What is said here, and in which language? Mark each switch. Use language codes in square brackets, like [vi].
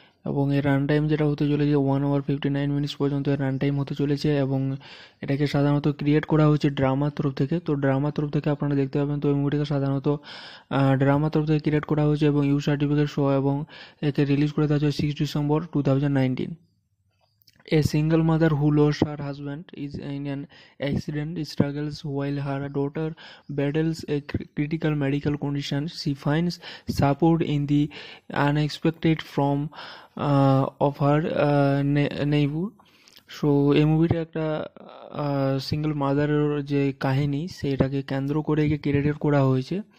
[bn] এবং এর run time যেটা হতে চলেছে 1 আওয়ার 59 মিনিটস পর্যন্ত এর রান টাইম হতে চলেছে, এবং এটাকে সাধারণত ক্রিয়েট করা হয়েছে ড্রামার তরফ থেকে, তো ড্রামার তরফ থেকে আপনারা দেখতে পাবেন, তো এই মুভিটাকে সাধারণত ড্রামার তরফ থেকে ক্রিয়েট করা হয়েছে এবং ইউ সার্টিফিকেট শো এবং একে রিলিজ করে দেওয়া হয়েছে 6 December 2019। [en] A single mother who lost her husband is in an accident struggles while her daughter battles a critical medical condition. She finds support in the unexpected from of her neighbor. [bn] So এই মুভিটা একটা single মাদারের যে কাহিনী সেটাকে কেন্দ্র করে create করা হয়েছে,